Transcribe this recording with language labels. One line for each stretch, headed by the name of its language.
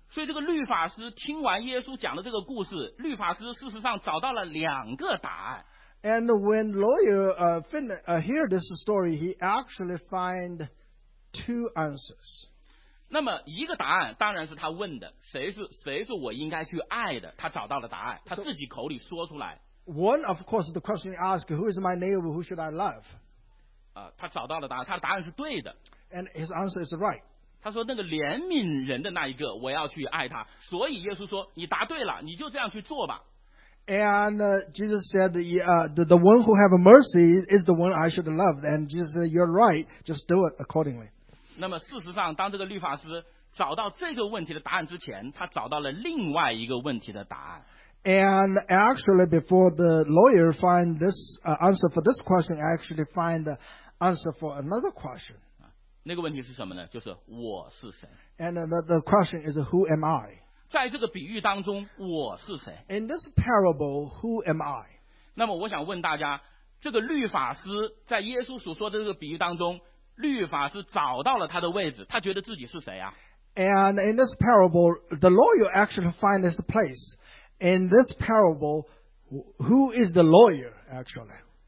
Chinese: 所以这个律法师听完耶稣讲的这个故事，律法师事实上找到了两个答案。
English: And when lawyer hear this story, he actually find two answers.
Chinese: 那么一个答案当然是他问的，谁是我应该去爱的？他找到了答案，他自己口里说出来。
English: So, one of course the question he asked, who is my neighbor? Who should I love?
Chinese: 他找到了答案，他的答案是对的。
English: And his answer is right.
Chinese: 他说那个怜悯人的那一个，我要去爱他。所以耶稣说，你答对了，你就这样去做吧。
English: And Jesus said, the one who have mercy is the one I should love. And Jesus said, you're right, just do it accordingly.
Chinese: 那么事实上, 当这个律法师 找到这个问题的答案之前, 他找到了另外一个问题的答案。
English: And actually, before the lawyer find this answer for this question, I actually find the answer for another question.
Chinese: 那个问题是什么呢?就是我是谁?
English: And the question is, who am I?
Chinese: 在这个比喻当中, 我是谁?
English: In this parable, who am I?
Chinese: 那么我想问大家, 这个律法师在耶稣所说的这个比喻当中, 律法师找到了他的位置, 他觉得自己是谁啊?
English: And in this parable, the lawyer actually find this place. In this parable, who is the lawyer, actually?